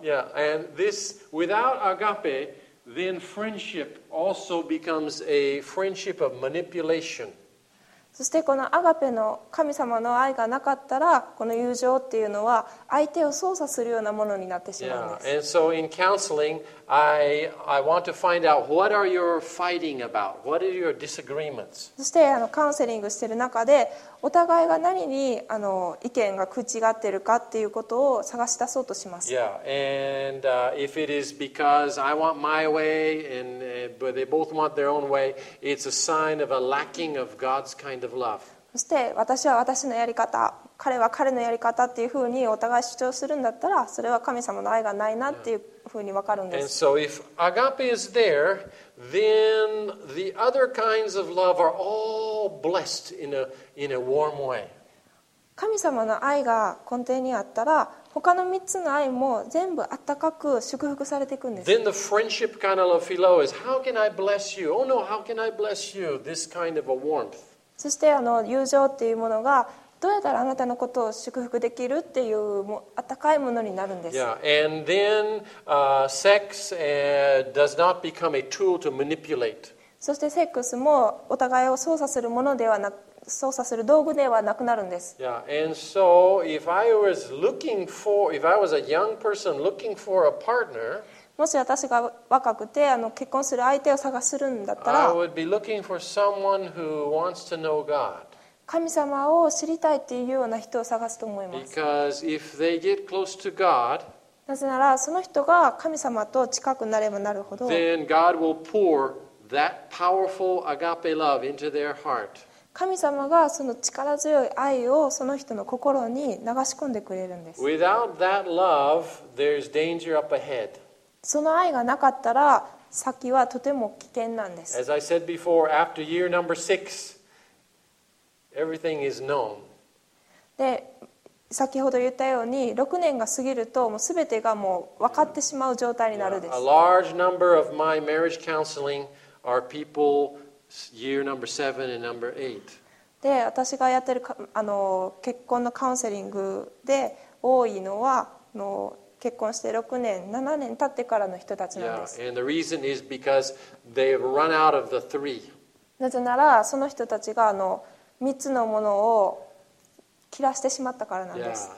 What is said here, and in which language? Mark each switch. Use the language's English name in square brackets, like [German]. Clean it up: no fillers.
[English] Yeah, and this, without agape, then friendship also becomes a friendship of manipulation. [Japanese] そしてこのアガペの神様の愛がなかったらこの友情っていうのは相手を操作するようなものになってしまうんです。 [English] Yeah. And so in counseling, I want to find out what are you fighting about? What are your disagreements? [Japanese] そしてカウンセリングしている中でお互いが何に意見が食い違っているかっていうことを探し出そうとします。 [English] Yeah. And if it is because I want my way and but they both want their own way, it's a sign of a lacking of God's kind [Japanese] そして私は私のやり方、彼は彼のやり方っていうふうにお互い主張するんだったら、それは神様の愛がないなっていうふうに分かるんです。 [English] And so if agape is there, then the other kinds of love are all blessed in a warm way. [Japanese] 神様の愛が根底にあったら他の3つの愛も全部あったかく祝福されていくんです。 [English] Then the friendship kind of flow is how can I bless you? Oh no, how can I bless you? This kind of a warmth. [Japanese] そして友情っていうものがどうやったらあなたのことを祝福できるっていうもあったかいものになるんです。 [English] Yeah, and then sex does not become a tool to manipulate. [Japanese] そしてセックスもお互いを操作するものではなく操作する道具ではなくなるんです。 [English] Yeah, and so if I was looking for, if I was a young person looking for a partner, [Japanese] もし私が若くて結婚する相手を探するんだったら、 [English] I would be looking for someone who wants to know God. [Japanese] 神様を知りたいっていうような人を探すと思います。 [English] Because if they get close to God, [Japanese] なぜならその人が神様と近くなればなるほど、 [English] then God will pour that powerful agape love into their heart. [Japanese] 神様がその力強い愛をその人の心に流し込んでくれるんです。 [English] Without that love, there's danger up ahead. [Japanese] その愛がなかったら先はとても危険なんです。 [English] As I said before, after year number six, everything is known. [Japanese] で、先ほど言ったように6年が過ぎるともう全てがもう分かってしまう状態になるんです。 [English] Yeah, a large number of my marriage counseling are peopleYear number seven and number eight. [Japanese] で、私がやってる結婚のカウンセリングで多いのは結婚して6年、7年経ってからの人たちなんです。 [English] Yeah, and the reason is because they've run out of the three. [Japanese] なぜならその人たちが3つのものを切らしてしまったからなんです。